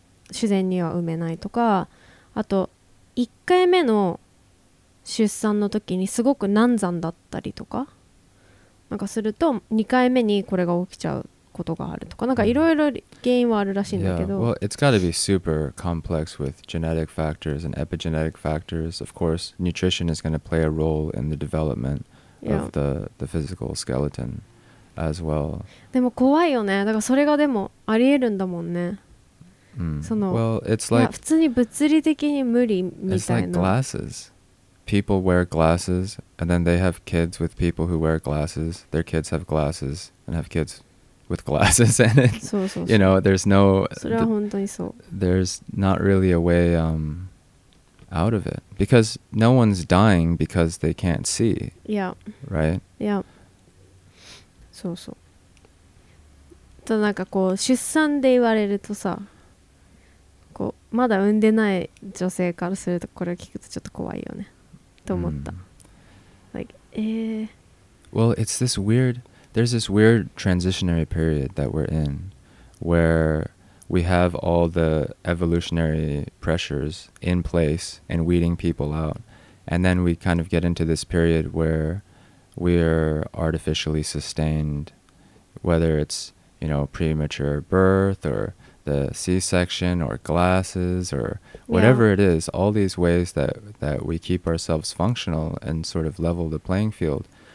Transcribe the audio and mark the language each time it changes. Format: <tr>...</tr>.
<ja>自然には産めないとか、あと、1回目の出産の時にすごく難産だったりとかなんかすると、2回目にこれが起きちゃうことがあるとか、なんかいろいろ原因はあるらしいんだけど、</ja> <en>Yeah, well, it's got to be super complex with genetic factors and epigenetic factors. Of course, nutrition is going to play a role in the development of the physical skeleton as well.</en> <ja>でも怖いよね。だからそれがでもありえるんだもんね。</ja> <en>Well, it's like,</en> <ja>普通に物理的に無理みたいな。</ja> <en>It's like glasses. People wear glasses, and then they have kids with people who wear glasses. Their kids have glasses, and have kids with glasses in it.</en> <ja>そうそうそう。</ja> <en>You know, there's no...</en> <ja>それは本当にそう。</ja> <en>There's not really a way out of it. Because no one's dying because they can't see. Yeah. Right?</en> <ja>Yeah. そうそう。ただなんかこう、出産で言われるとさ、こうまだ産んでない女性からするとこれを聞くとちょっと怖いよねと思った。Like,</ja> <en>Well, it's this weird there's this weird transitionary period that we're in where we have all the evolutionary pressures in place and weeding people out. And then we kind of get into this period where we're artificially sustained, whether it's, you know, premature birth or the C-section or glasses or whatever it is, all these ways that we keep ourselves functional and sort of level the playing field.</en>